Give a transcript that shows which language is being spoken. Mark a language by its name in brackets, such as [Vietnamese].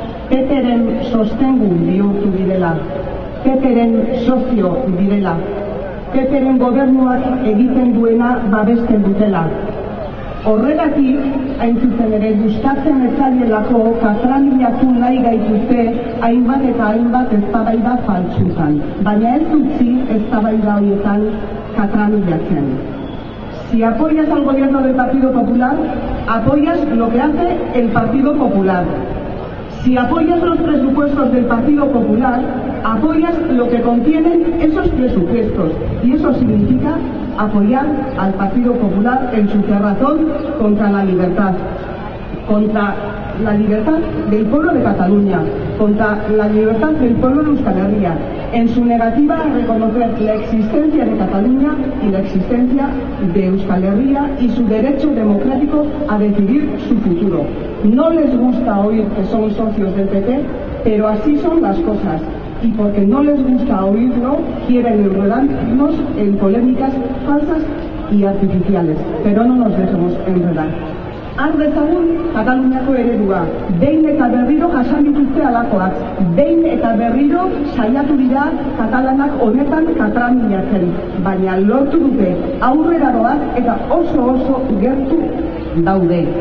[Basque] PPren sostengu bihurtu direla, PPren sozio direla, PPren gobernuak egiten duena babesten dutela. Horregatik, hain zuzen ere, gustatzen ezaielako katraliatu nahi gaituzte hainbat eta hainbat eztabaida faltsutan, baina ez utzi eztabaida horietan katraliatzen. [Spanish] Si apoyas al gobierno del Partido Popular, apoyas lo que hace el Partido Popular. Si apoyas los presupuestos del Partido Popular, apoyas lo que contienen esos presupuestos. Y eso significa apoyar al Partido Popular en su cerrazón contra la libertad. Contra la libertad del pueblo de Cataluña, contra la libertad del pueblo de Euskal Herria, en su negativa a reconocer la existencia de Cataluña y la existencia de Euskal Herria y su derecho democrático a decidir su futuro. No les gusta oír que son socios del PP, pero así son las cosas. Y porque no les gusta oírlo, quieren enredarnos en polémicas falsas y artificiales. Pero no nos dejemos enredar. [Basque] Har dezagun Kataluniako eredua, behin eta berriro jasan dituzte alakoak, behin eta berriro saiatu dira katalanak honetan katramilatzen, baina lortu dute aurrera doaz eta oso gertu daude.